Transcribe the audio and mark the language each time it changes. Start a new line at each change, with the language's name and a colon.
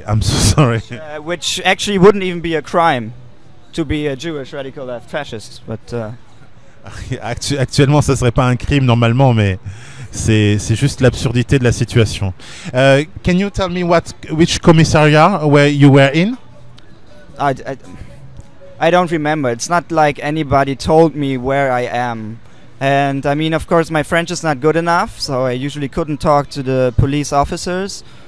English: Which actually wouldn't even be a crime to be a Jewish radical left fascist, but.
French: Actuellement, ça serait pas un crime normalement, mais c'est juste l'absurdité de la situation.
English: Can you tell me which commissariat where you were in? I don't remember. It's not like anybody told me where I am. And I mean, of course, my French is not good enough, so I usually couldn't talk to the police officers.